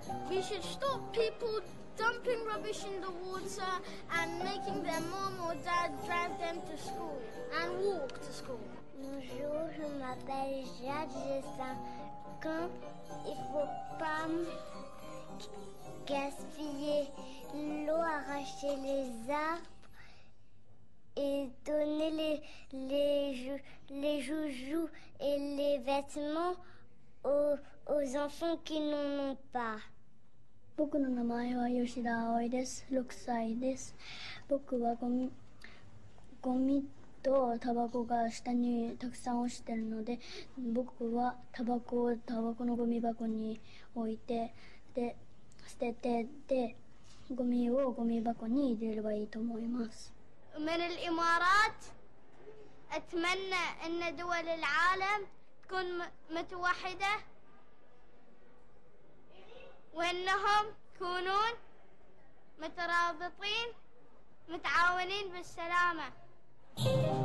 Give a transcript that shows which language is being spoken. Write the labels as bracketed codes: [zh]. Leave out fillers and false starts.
[en] We should stop people dumping rubbish in the water and making their mom or dad drive them to school and walk to school. [fr] Bonjour, je m'appelle Jade, j'ai 5 ans. Il faut pas me gaspiller l'eau, arracher les arbres et donner les joujoux et les vêtements aux enfants qui n'en ont pas. [ja] 僕の名前は吉田葵です。6歳です。僕はゴミとタバコが下にたくさん落ちているので、僕はタバコをタバコのゴミ箱に置いて、で、捨てて、で、ゴミをゴミ箱に入れればいいと思います。 [ar] من الإمارات أتمنى أن دول العالم تكون متوحدة وأنهم يكونون مترابطين متعاونين بالسلامة.